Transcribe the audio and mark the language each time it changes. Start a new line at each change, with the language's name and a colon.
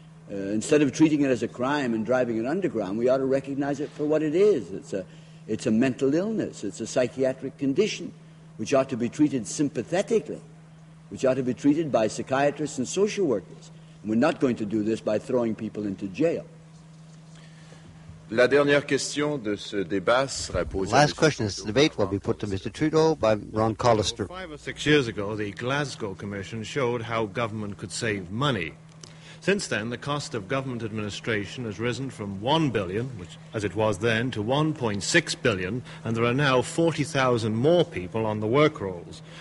English: Instead of treating it as a crime and driving it underground, we ought to recognize it for what it is. It's a mental illness. It's a psychiatric condition which ought to be treated sympathetically, which ought to be treated by psychiatrists and social workers. And we're not going to do this by throwing people into jail.
French: La dernière question de ce débat sera posée.
English: Last question of this debate will be put to Mr. Trudeau by Ron Collister. 5 or 6 years ago, the Glasgow Commission showed how government could save money. Since then, the cost of government administration has risen from $1 billion, which, as it was then, to $1.6 billion, and there are now 40,000 more people on the work rolls.